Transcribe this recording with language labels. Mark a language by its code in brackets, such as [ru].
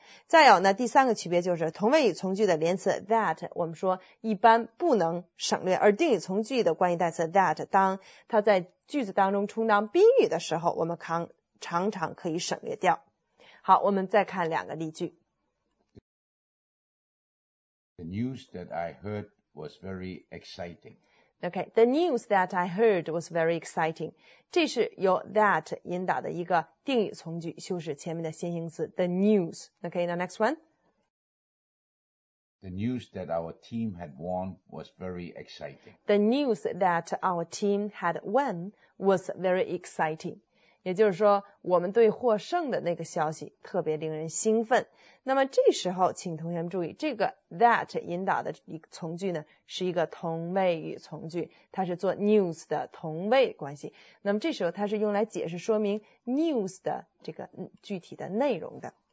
[zh] 再有呢第三个区别就是同位语从句的连词 that 我们说一般不能省略，而定语从句的关系代词 that 当它在句子当中充当宾语的时候，我们常常可以省略掉。好，我们再看两个例句。 [en] The news that I heard was very exciting. Okay, the news that I heard was very exciting. [zh] 这是由 that 引导的一个定语从句，修饰前面的先行词 [en] the news. Okay, the next one. The news that our team had won was very exciting. The news that our team had won was very exciting. [zh] 也就是说我们对获胜的那个消息特别令人兴奋。那么这时候请同学们注意，这个 that 引导的一个从句呢是一个同位语从句，它是做 news 的同位关系。那么这时候它是用来解释说明 news 的这个具体的内容的。